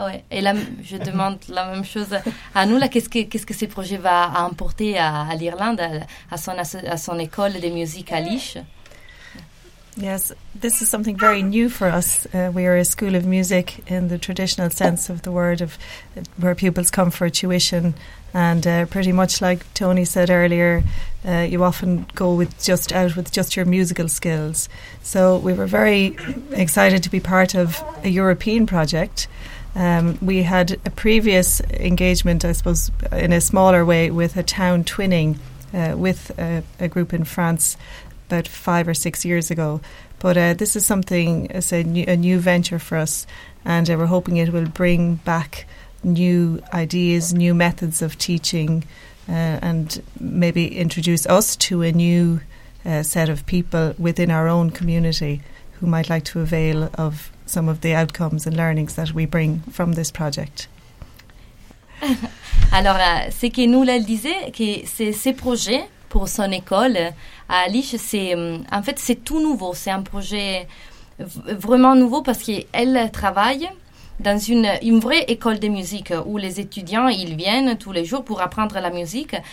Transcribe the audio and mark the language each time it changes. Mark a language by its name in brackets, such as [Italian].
[French] Et là, je demande la même chose à Nula. Qu'est-ce que ce projet va apporter à l'Irlande, à son école de musique à Leash? [English] Yes, this is something very new for us. We are a school of music in the traditional sense of the word, of where pupils come for tuition. And pretty much like Tony said earlier, you often go out with just your musical skills. So we were very excited to be part of a European project. We had a previous engagement, I suppose, in a smaller way with a town twinning with a group in France about 5 or 6 years ago. But this is something, as a new venture for us, and we're hoping it will bring back new ideas, new methods of teaching, and maybe introduce us to a new set of people within our own community who might like to avail of some of the outcomes and learnings that we bring from this project. [French] Alors, ce que nous là disait, que c'est ce projet pour son école à Leash, c'est tout nouveau. C'est un projet vraiment nouveau parce qu'elle travaille dans une vraie école de musique où les étudiants, ils viennent tous les jours pour apprendre la musique.